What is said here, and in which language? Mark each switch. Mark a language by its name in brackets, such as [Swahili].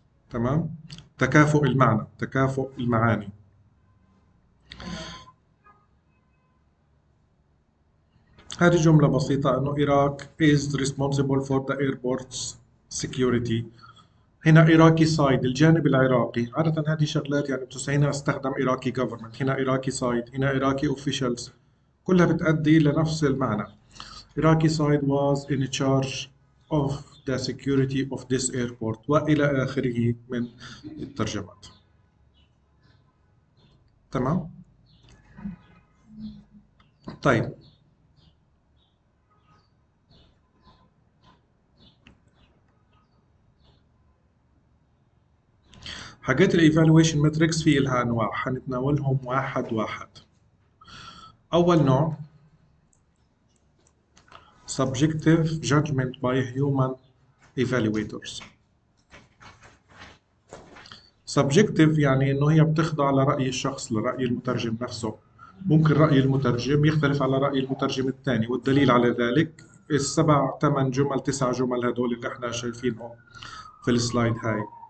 [Arabic] تمام، تكافؤ المعنى، تكافؤ المعاني. هذه جملة بسيطة، إنه [English] Iraq is responsible for the airport's security. [Arabic] هنا [English] Iraqi side، [Arabic] الجانب العراقي. عادة هذه شغلات يعني بتصير، هنا استخدم [English] Iraqi government، [Arabic] هنا Iraqi side، هنا [English] Iraqi officials، [Arabic] كلها بتأدي لنفس المعنى. [English] Iraqi side was in charge of the security of this airport، [Arabic] وإلى آخره من الترجمات. تمام؟ طيب، حاجات الـ Evaluation Matrix في إلها أنواع، هنتناولهم واحد واحد. أول نوع [English] Subjective Judgment by Human Evaluators. [Arabic] Subjective يعني إنه هي بتخضع لرأي الشخص، لرأي المترجم نفسه. ممكن رأي المترجم يختلف على رأي المترجم الثاني، والدليل على ذلك السبع ثمان جمل تسع جمل هذول اللي احنا شايفينهم في السلايد هاي.